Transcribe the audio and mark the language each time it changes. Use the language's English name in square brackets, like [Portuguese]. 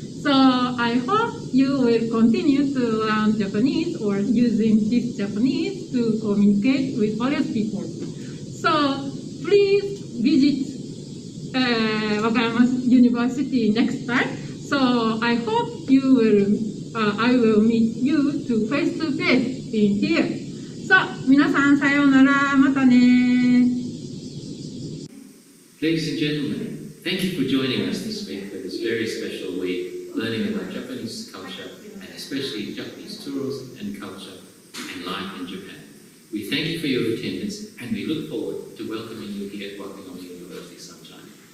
[English] So I hope you will continue to learn Japanese or using this Japanese to communicate with various people. So please visit Wakayama University next time. So I hope you will, I will meet you to face to face in here. [Japanese] So, 皆さん、さようなら、またね。 [English] Ladies and gentlemen, thank you for joining us this week for this very special week learning about Japanese culture and especially Japanese tourism and culture and life in Japan. We thank you for your attendance and we look forward to welcoming you here at Wakayama University sometime.